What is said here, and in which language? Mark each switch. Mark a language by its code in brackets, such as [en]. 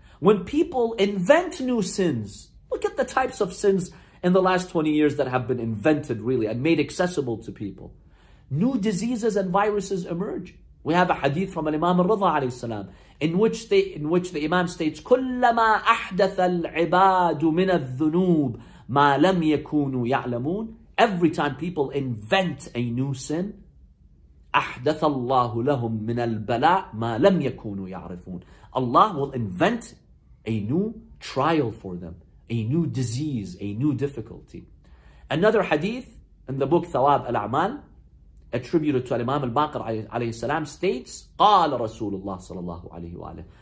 [en] When people invent new sins, look at the types of sins in the last 20 years that have been invented really and made accessible to people. New diseases and viruses emerge. We have a hadith from Imam al-Ridha alayhi salam in which the Imam states, [ar] كُلَّمَا أَحْدَثَ الْعِبَادُ مِنَ الذُّنُوبِ مَا لَمْ يَكُونُوا يَعْلَمُونَ. [en] Every time people invent a new sin, [ar] أَحْدَثَ اللَّهُ لَهُمْ مِنَ الْبَلَاءِ مَا لَمْ يَكُونُوا يَعْرِفُونَ. [en] Allah will invent a new trial for them, a new disease, a new difficulty. Another hadith in the book Thawab al-A'mal, attributed to Imam al-Baqir alayhi salam, states, [ar] قَالَ رَسُولُ اللَّهِ صَلَى اللَّهُ عَلَيْهِ وَعَلَيْهِ.